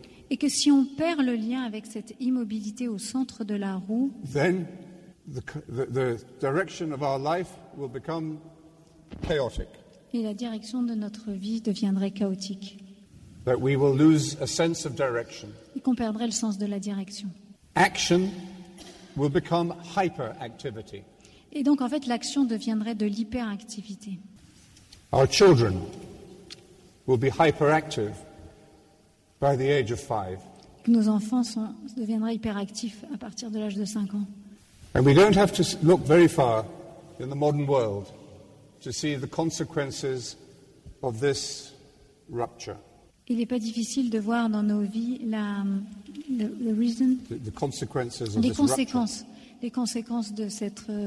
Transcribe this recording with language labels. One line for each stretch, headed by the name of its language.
French: Et que si on perd le lien avec cette immobilité au centre de la roue,
English: then the direction of our life will become chaotic.
French: Et la direction de notre vie deviendrait chaotique.
English: That we will lose a sense of direction.
French: Et qu'on perdrait le sens de la direction.
English: Action will become hyperactivity.
French: Et donc, en fait, l'action deviendrait de l'hyperactivité.
English: Our children will be hyperactive by the age of 5.
French: Nos enfants deviendraient hyperactifs à partir de l'âge de 5 ans.
English: And we don't have to look very far in the modern world to see the consequences of this rupture.
French: Il n'est pas difficile de voir dans nos vies les conséquences de cette